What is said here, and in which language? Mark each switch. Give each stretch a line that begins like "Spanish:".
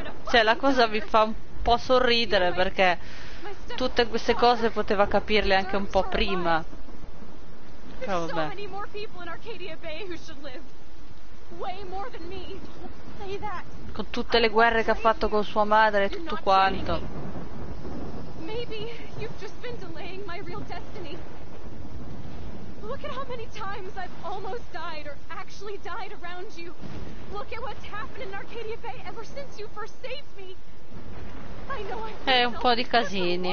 Italian: Cioè, la cosa mi fa un po' sorridere perché tutte queste cose poteva capirle anche un po' prima. Però vabbè.
English: So many more people in Arcadia Bay who should live. Way more than me.
Italian: Con tutte le guerre che ha fatto con sua madre e tutto quanto.
English: Maybe you've just been delaying my real destiny. Look at how many times I've almost died or actually died around you. Look at what's happened in Arcadia Bay ever since you first saved me. I know I've
Italian: un po' di casini.